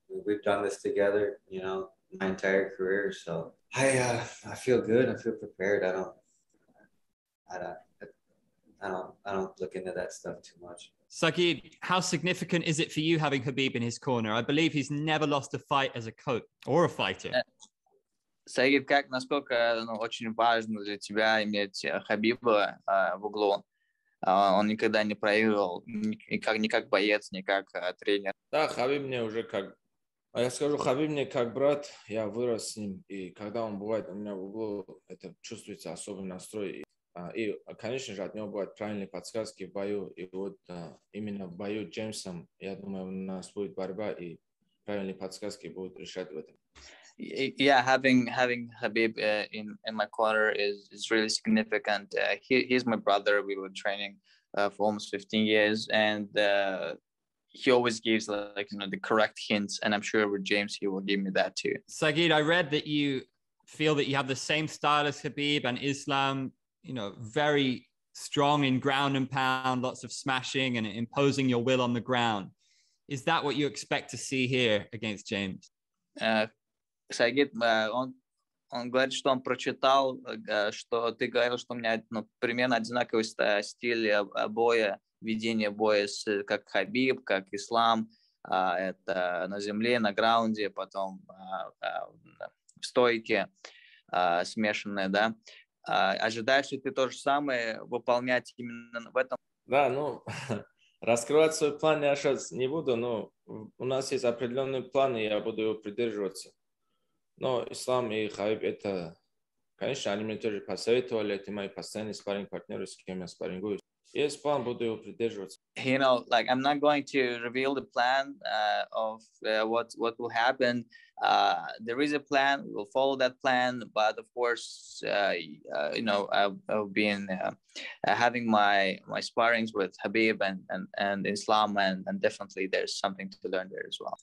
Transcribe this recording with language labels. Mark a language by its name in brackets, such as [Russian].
[English] We've done this together, you know, my entire career. So I feel good. I feel prepared. I don't, I don't, I don't look into that stuff too much. Saygid, how significant is it for you having Khabib in his corner? I believe he's never lost a fight as a coach or a fighter. [Russian] Saygid, как насколько очень важно для тебя иметь Хабиба в углу? Он никогда не проигрывал ни как боец, ни как тренер. Да, Хабиб мне уже как... Я скажу, Хабиб мне как брат, я вырос с ним. И когда он бывает у меня в углу, это чувствуется особый настрой. И, конечно же, от него бывают правильные подсказки в бою. И вот именно в бою с Джеймсом, я думаю, у нас будет борьба, и правильные подсказки будут решать в этом. [English] Yeah, having Khabib in my corner is really significant. He's my brother. We were training for almost 15 years, and he always gives the correct hints. And I'm sure with James, he will give me that too. Saygid, I read that you feel that you have the same style as Khabib and Islam. Very strong in ground and pound, lots of smashing and imposing your will on the ground. Is that what you expect to see here against James? [Russian] Саигид, он говорит, что он прочитал, что ты говорил, что у меня примерно одинаковый стиль боя, ведение боя как Хабиб, как Ислам, это на земле, на граунде, потом в стойке смешанное, да. Ожидаешь ли ты то же самое выполнять именно в этом? Да, раскрывать свой план я сейчас не буду, но у нас есть определенный план, и я буду его придерживаться. Но Ислам и Хабиб, это, конечно, они мне тоже посоветовали, это мои постоянные спарринг-партнеры, с кем я спаррингую. Есть план, буду его придерживаться. [English] I'm not going to reveal the plan of what will happen. There is a plan, we'll follow that plan, but of course, I've been having my sparrings with Khabib and Islam, and definitely there's something to learn there as well.